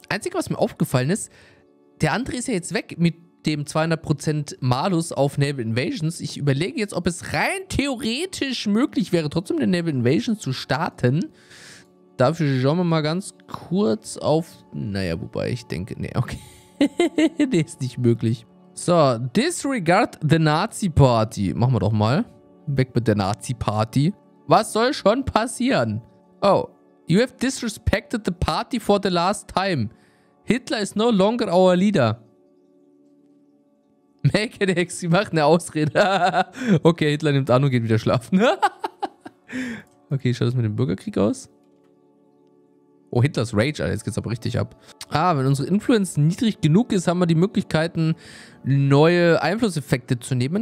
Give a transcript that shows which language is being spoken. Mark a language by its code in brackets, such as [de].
[de] Einzige, was mir aufgefallen ist, der andere ist ja jetzt weg mit dem 200% Malus auf Naval Invasions. Ich überlege jetzt, ob es rein theoretisch möglich wäre, trotzdem den Naval Invasions zu starten. Dafür schauen wir mal ganz kurz auf... Naja, wobei ich denke... Nee, okay. Nee, ist nicht möglich. [en] So, disregard the Nazi Party. [de] Machen wir doch mal. Weg mit der Nazi Party. Was soll schon passieren? [en] Oh, you have disrespected the party for the last time. Hitler is no longer our leader. Make it ex, [de] sie macht eine Ausrede. Okay, Hitler nimmt an und geht wieder schlafen. Okay, schaut das mit dem Bürgerkrieg aus. Oh, Hitlers Rage, Alter, jetzt geht's aber richtig ab. Ah, wenn unsere Influence niedrig genug ist, haben wir die Möglichkeiten, neue Einflusseffekte zu nehmen.